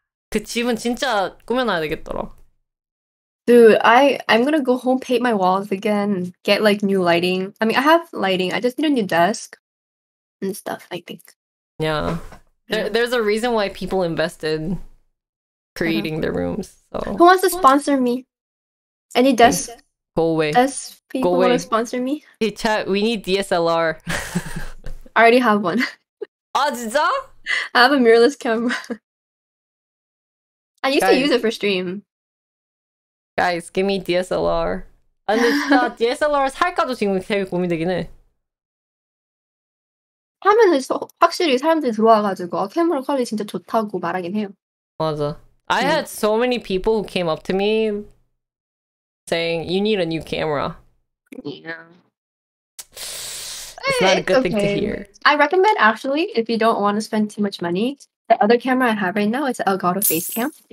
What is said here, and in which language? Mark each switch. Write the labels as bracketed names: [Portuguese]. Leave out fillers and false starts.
[Korean] 그 집은 진짜 꾸며놔야 되겠더라. [English] Dude, I'm gonna go home, paint my walls again, get like new lighting. I mean, I have lighting. I just need a new desk. and stuff, I think. Yeah. There's a reason why people invested creating their rooms. So. Who wants to sponsor me? Any desk? Go away. Desk people go away. Want to sponsor me? Hey, chat, we need DSLR. I already have one. Oh, I have a mirrorless camera. I used to use it for stream. Guys, give me DSLR. [Korean] DSLR 살까도 지금 되게 고민되긴 해. 하면은 확실히 사람들이 들어와가지고 아, 캐머 퀄리티 진짜 좋다고 말하긴 해요. 맞아. [English] I had so many people who came up to me saying you need a new camera. Yeah. It's not a good thing to hear. I recommend actually if you don't want to spend too much money, the other camera I have right now is Elgato face cam.